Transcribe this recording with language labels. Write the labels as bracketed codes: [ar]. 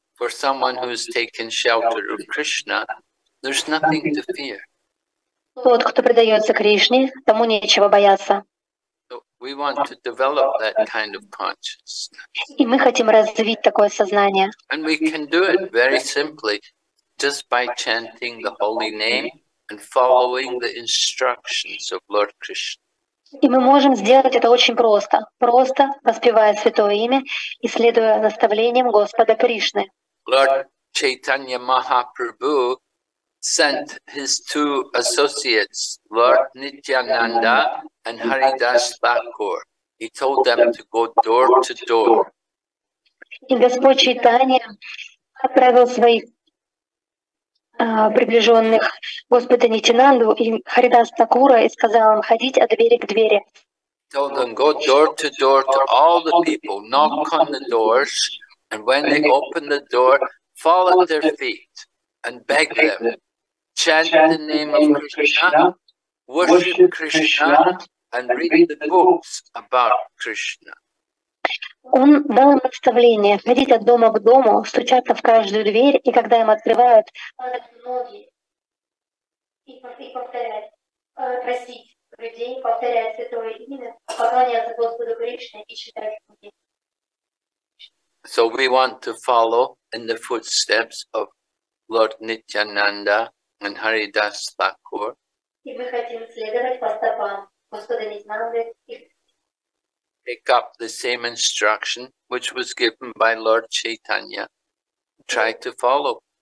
[en] For someone who's taken shelter of Krishna, there's nothing to fear. [ru] Тот, кто предается Кришне, тому нечего бояться. [en] So we want to develop that kind of consciousness. [ru] И мы хотим развить такое сознание. [en] And we can do it very simply, just by chanting the holy name and following the instructions of Lord Krishna. [ru] И мы можем сделать это очень просто. Просто воспевая святое имя и следуя наставлениям Господа Кришны. [en] Lord Chaitanya Mahaprabhu sent his two associates, Lord Nityananda and Haridas Thakur. He told them to go door to door. [ru] И Господь Чайтанья отправил своих приближенных Господа Нитинанду и Харидас Такура и сказал им ходить от двери к двери. [en] Tell them go door to door to all the people, knock on the doors, and when they open the door, fall at their feet and beg them, chant the name of Krishna, worship Krishna, and read the books about Krishna. [ru] Он дал им наставление ходить от дома к дому, стучаться в каждую дверь, и когда им открывают, падать в ноги и повторять, просить людей, повторять святое имя, поклоняться Господу Кришне и читать книги. [en] So we [ru] и мы хотим следовать по стопам Господа Нитянанды и [en] pick up the same instruction which was given by Lord Chaitanya. Try to follow.